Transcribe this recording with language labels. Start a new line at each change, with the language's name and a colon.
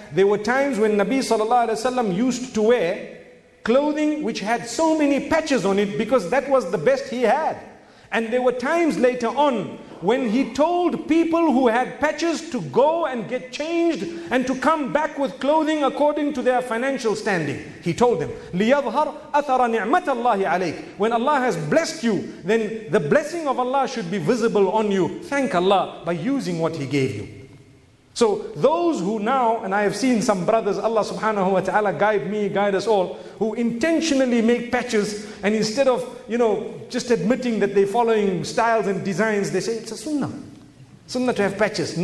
English: There were times when Nabi sallallahu alaihi wasallam used to wear clothing which had so many patches on it because that was the best he had. And there were times later on when he told people who had patches to go and get changed and to come back with clothing according to their financial standing. He told them,
Arabic: لِيَظْهَرْ أَثَرَ نِعْمَةَ اللَّهِ عَلَيْكَ.
English: When Allah has blessed you, then the blessing of Allah should be visible on you. Thank Allah by using what He gave you. So those who now, and I have seen some brothers, Allah subhanahu wa ta'ala guide me, guide us all, who intentionally make patches, and instead of, you know, just admitting that they're following styles and designs, they say it's a sunnah. Sunnah to have patches.